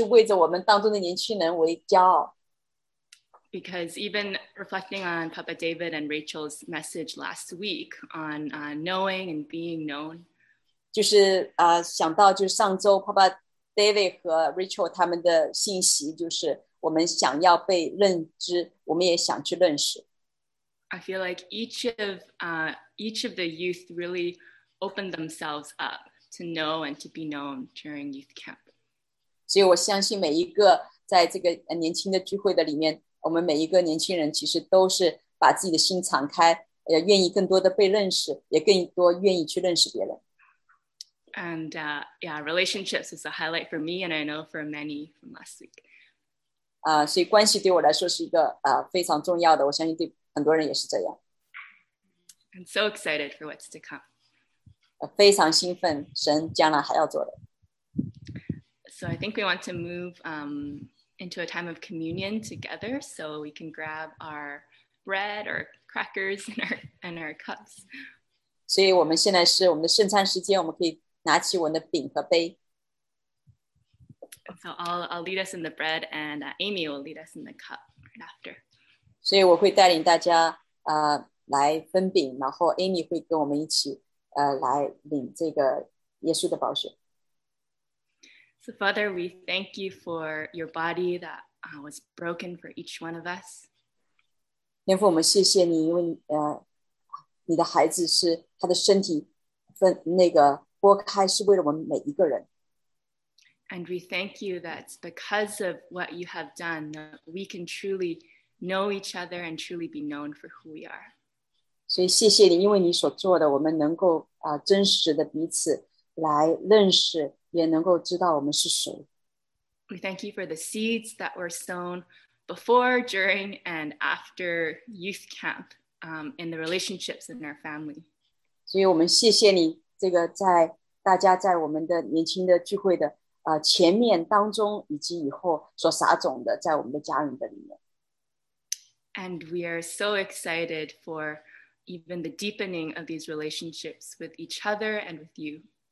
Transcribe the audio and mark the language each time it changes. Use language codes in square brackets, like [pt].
[zh] 我就是想说我实在是为着我们当中的年轻人为骄傲。 [en] Because even reflecting on Papa David and Rachel's message last week on knowing and being known. [zh] 就是, 想到就是上周 Papa David 和 Rachel 他们的信息, 就是我们想要被认知, 我们也想去认识。 [en] I feel like each of the youth really opened themselves up to know and to be known during youth camp. [zh] 所以我相信每一个在这个年轻的聚会的里面, 我们每一个年轻人其实都是把自己的心敞开, 愿意更多的被认识, 也更多愿意去认识别人。 [en] And relationships is a highlight for me and I know for many from last week. [zh] 所以关系对我来说是一个, 非常重要的, 我相信对, [en] I'm so excited for what's to come. [zh] 非常兴奋, 神将来还要做的。 [en] So I think we want to move into a time of communion together so we can grab our bread or crackers and our cups. [zh] 所以我们现在是我们的圣餐时间, 我们可以拿起我们的饼和杯。 [en] So I'll lead us in the bread and Amy will lead us in the cup right after. [zh] 所以我会带领大家, 来分饼, 然后Amy会跟我们一起, 来领这个耶稣的宝血。 [en] So Father, we thank you for your body that was broken for each one of us. [zh] 天父我们谢谢你, 因为, 你的孩子是, 他的身体, 那个剥开, 是为了我们每一个人。 [en] And we thank you that because of what you have done, we can truly know each other and truly be known for who we are. [zh] 所以谢谢你,因为你所做的, 我们能够, 真实的彼此来认识, 也能够知道我们是谁。 [en] We thank you for the seeds that were sown before, during, and after youth camp, in the relationships in our family. [zh] 所以我们谢谢你, 这个在, 大家在我们的年轻的聚会的, 前面当中, 以及以后, 所撒种的, 在我们的家人的里面。 [en] And we are so excited for even the deepening of these relationships with each other and with you.